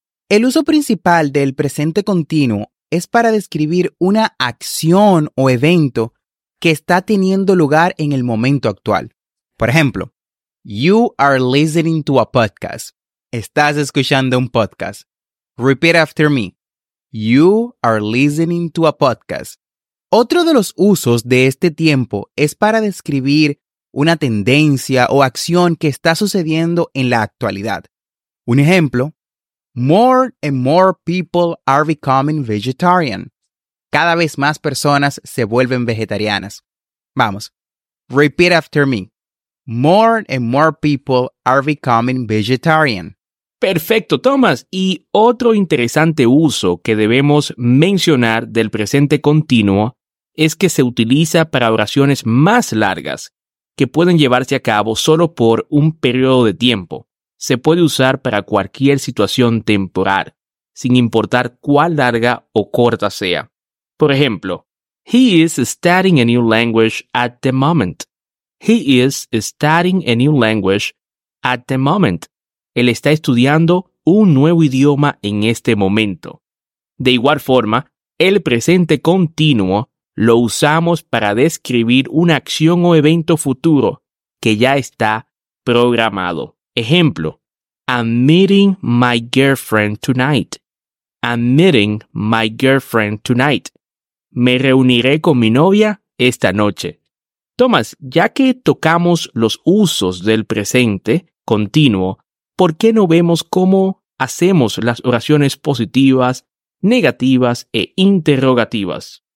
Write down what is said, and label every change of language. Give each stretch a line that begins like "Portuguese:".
Spanish: El uso principal del presente continuo es para describir una acción o evento que está teniendo lugar en el momento actual. Por ejemplo,
English: you are listening to a podcast.
Spanish: Estás escuchando un podcast.
English: Repeat after me. You are listening to a podcast.
Spanish: Otro de los usos de este tiempo es para describir una tendencia o acción que está sucediendo en la actualidad. Un ejemplo,
English: more and more people are becoming vegetarian.
Spanish: Cada vez más personas se vuelven vegetarianas. Vamos,
English: repeat after me. More and more people are becoming vegetarian.
Spanish: Perfecto, Thomas. Y otro interesante uso que debemos mencionar del presente continuo es que se utiliza para oraciones más largas que pueden llevarse a cabo solo por un periodo de tiempo. Se puede usar para cualquier situación temporal, sin importar cuán larga o corta sea. Por ejemplo,
English: he is studying a new language at the moment. He is studying a new language at the moment.
Spanish: Él está estudiando un nuevo idioma en este momento. De igual forma, el presente continuo lo usamos para describir una acción o evento futuro que ya está programado. Ejemplo,
English: I'm meeting my girlfriend tonight. I'm meeting my girlfriend tonight.
Spanish: Me reuniré con mi novia esta noche. Thomas, ya que tocamos los usos del presente continuo, ¿por qué no vemos cómo hacemos las oraciones positivas, negativas e interrogativas?